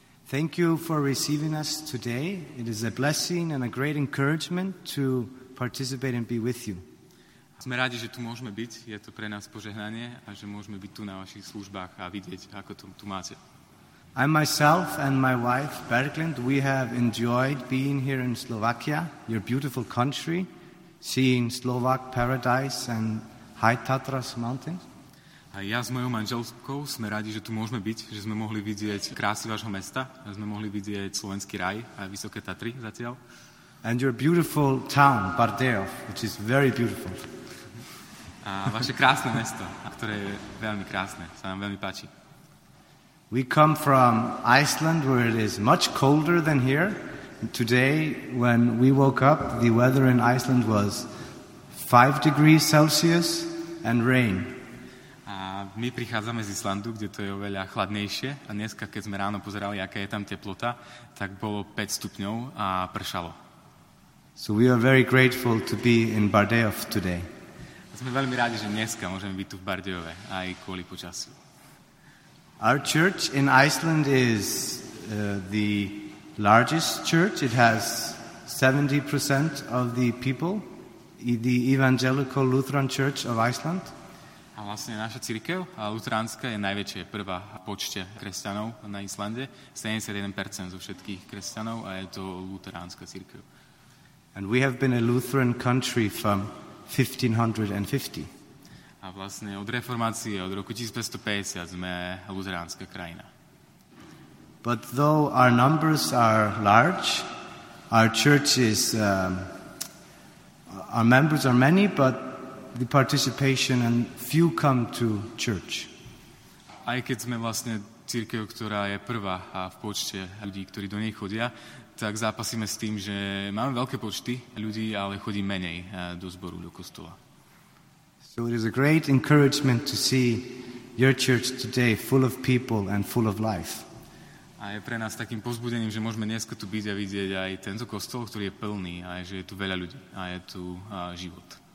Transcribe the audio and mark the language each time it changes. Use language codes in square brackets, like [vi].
[en] thank you for receiving us today. It is a blessing and a great encouragement to participate and be with you. [sk] Sme radi, že tu môžeme byť. Je to pre nás požehnanie a že môžeme byť tu na vašich službách a vidieť, ako to tu máte. [en] I myself and my wife, Berglind, we have enjoyed being here in Slovakia, your beautiful country, seeing Slovak paradise and high Tatras mountains. [sk] A ja s mojou manželkou sme radi, že tu môžeme byť, že sme mohli vidieť krásy vášho mesta, že sme mohli vidieť slovenský raj a Vysoké Tatry zatiaľ. [en] And your beautiful town, Bardejov, which is very beautiful. [sk] A vaše krásne mesto, ktoré je veľmi krásne, sa nám veľmi páči. [en] We come from Iceland, where it is much colder than here. Today, when we woke up, the weather in Iceland was 5 degrees Celsius and rain. [sk] My prichádzame z Islandu, kde to je oveľa chladnejšie a dneska, keď sme ráno pozerali, aká je tam teplota, tak bolo 5 stupňov a pršalo. [en] So we are very grateful to be in Bardejov today. [sk] A sme veľmi rádi, že dneska môžeme byť tu v Bardejove, aj kvôli počasiu. [en] Our church in Iceland is the largest church. It has 70% of the people, the Evangelical Lutheran Church of Iceland. [sk] A vlastne naša cirkev, luteránska, je najväčšia, prvá v počte kresťanov na Islande. 71% zo všetkých kresťanov a je to luteránska cirkev. [en] And we have been a Lutheran country from 1550. [sk] A vlastne od reformácie, od roku 1550 sme luteránska krajina. [en] But though our numbers are large, our church is our members are many, but the participation and few come to church. [sk] Aj keď sme vlastne cirkev, ktorá je prvá a v počte ľudí, ktorí do nej chodia, tak zápasíme s tým, že máme veľké počty ľudí, ale chodí menej do zboru, do kostola. [en] So it is a great encouragement to see your church today full of people and full of life. [sk] A je pre nás takým povzbudením, že môžeme dneska tu byť a vidieť aj tento kostol, ktorý je plný, a je, že je tu veľa ľudí a je tu život.